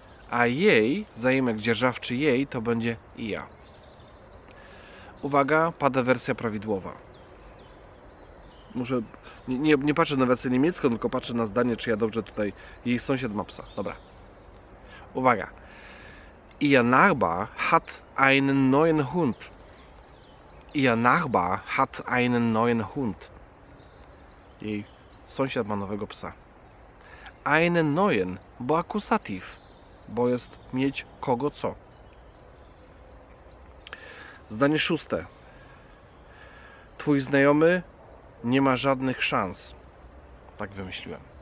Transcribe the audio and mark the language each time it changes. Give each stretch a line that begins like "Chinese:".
Polish: A jej, zaimek dzierżawczy jej, to będzie ja. Uwaga, pada wersja prawidłowa. Nie patrzę na wersję niemiecką, tylko patrzę na zdanie, czy ja dobrze tutaj... Jej sąsiad ma psa. Dobra. Uwaga.
German: Ihr Nachbar hat einen neuen Hund. Ihr Nachbar hat einen neuen Hund.
Polish: Jej sąsiad ma nowego psa.
German: Einen neuen,
Polish: bo akusativ, bo jest mieć kogo co. Zdanie szóste. Twój znajomy nie ma żadnych szans. Tak wymyśliłem.